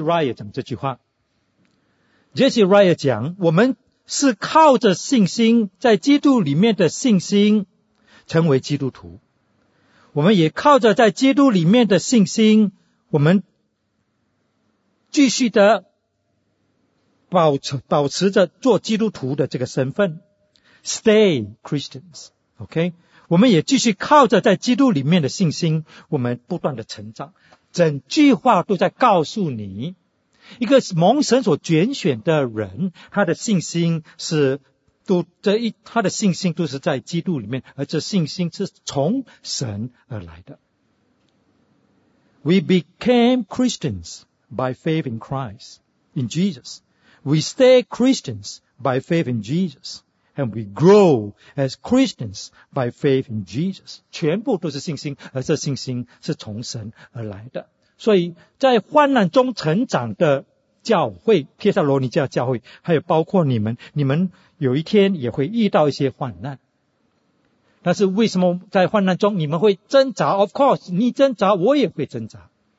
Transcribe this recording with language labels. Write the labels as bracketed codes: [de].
[zh] Ryle 讲这句话，Jesse Ryle 讲，我们是靠着信心，在基督里面的信心成为基督徒，我们也靠着在基督里面的信心，我们继续的保持着做基督徒的这个身份， [en] Stay Christians， [zh] OK， 我们也继续靠着在基督里面的信心，我们不断的成长。整句话都在告诉你，一个蒙神所拣选的人，他的信心是都这一，他的信心都是在基督里面，而这信心是从神而来的。 [en] We became Christians by faith in Christ, in Jesus. We stay Christians by faith in Jesus, and we grow as Christians by faith in Jesus. [zh] 全部都是信心，而这信心是从神而来的。所以在患难中成长的教会，帖撒罗尼迦教会，还有包括你们有一天也会遇到一些患难。但是为什么在患难中你们会挣扎？Of course， 你挣扎我也会挣扎。